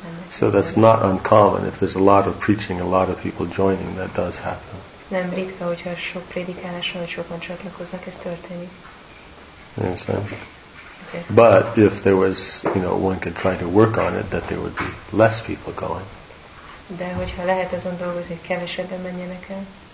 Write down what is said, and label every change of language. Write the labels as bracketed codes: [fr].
[en] So that's not uncommon. If there's a lot of preaching, a lot of people joining, that does happen. [hu] Nem ritka, hogyha sok prédikáláson, hogy sokan csatlakoznak, ez történik. [en] Understand? But if there was, you know, one could try to work on it, that there would be less people going. [hu] De hogyha lehet azon dolgozni, hogy kevesebben menjenek el.